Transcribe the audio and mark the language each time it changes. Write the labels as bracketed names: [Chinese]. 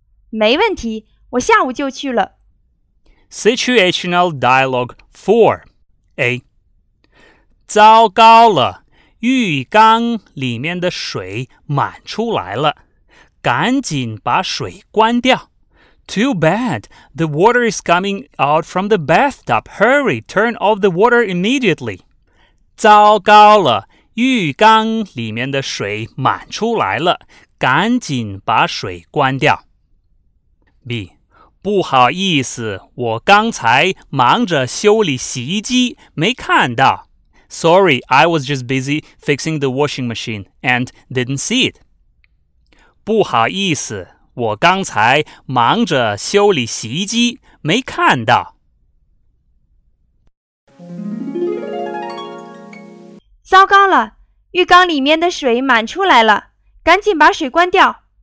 [Chinese] 没问题。我下午就去了。 [English] Situational Dialogue 4 A. [Chinese] 糟糕了，浴缸里面的水满出来了，赶紧把水关掉。 [English] Too bad, the water is coming out from the bathtub. Hurry, turn off the water immediately. [Chinese] 糟糕了，浴缸里面的水满出来了，赶紧把水关掉。 B. 不好意思，我刚才忙着修理洗衣机，没看到。 [English] Sorry, I was just busy fixing the washing machine and didn't see it. [Chinese] 不好意思，我刚才忙着修理洗衣机，没看到。糟糕了，浴缸里面的水满出来了，赶紧把水关掉。